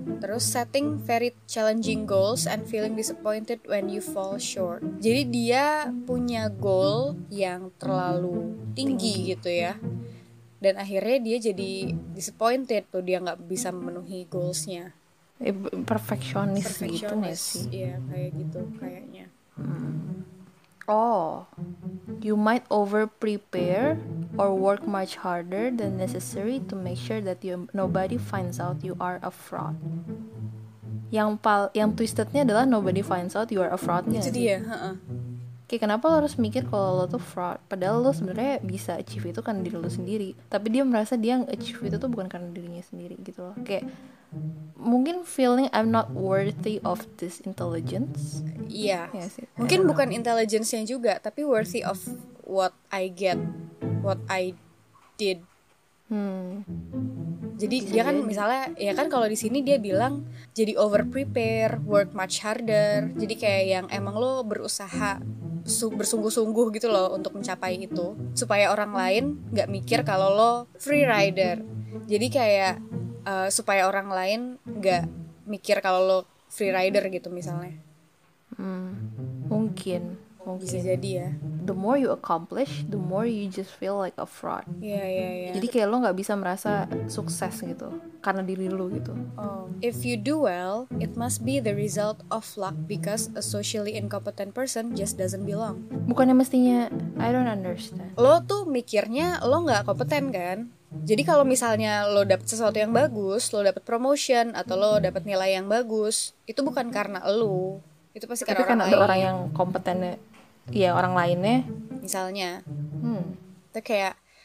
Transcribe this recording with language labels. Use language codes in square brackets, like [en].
[en] Terus setting very challenging goals and feeling disappointed when you fall short. [id] Jadi dia punya goal yang terlalu tinggi gitu ya. Dan akhirnya dia jadi disappointed tuh, dia gak bisa memenuhi goalsnya. Perfectionist gitu gak sih? Iya, kayak gitu kayaknya. [en] Oh, you might over prepare or work much harder than necessary to make sure that you, nobody finds out you are a fraud. [id] Yang twistednya adalah [en] nobody finds out you are a fraudnya. [id] Itu dia. Kayak kenapa lo harus mikir kalau lo tuh fraud? Padahal lo sebenarnya bisa achieve itu kan diri lo sendiri. Tapi dia merasa dia yang achieve itu tuh bukan karena dirinya sendiri gitu loh. Kayak mungkin [en] feeling I'm not worthy of this intelligence. [id] Iya. Mungkin bukan intelligence-nya juga, tapi [en] worthy of what I get, what I did. [id] Jadi dia kan misalnya, ya kan kalau di sini dia bilang jadi [en] over prepare, work much harder. [id] Jadi kayak yang emang lo berusaha bersungguh-sungguh gitu loh untuk mencapai itu, supaya orang lain gak mikir kalau lo free rider. Jadi kayak supaya orang lain gak mikir kalau lo free rider gitu misalnya. Mungkin bisa jadi ya. [en] The more you accomplish, the more you just feel like a fraud. [id] Iya. Jadi kayak lo gak bisa merasa sukses gitu karena diri lo gitu. [en] If you do well, it must be the result of luck, because a socially incompetent person just doesn't belong. [id] Bukannya mestinya, [en] I don't understand. [id] Lo tuh mikirnya lo gak kompeten kan? Jadi kalau misalnya lo dapet sesuatu yang bagus, lo dapet promotion atau lo dapet nilai yang bagus, itu bukan karena lo. Itu pasti karena orang lain. Ada orang yang kompetennya, ya orang lainnya. Misalnya. Itu kayak...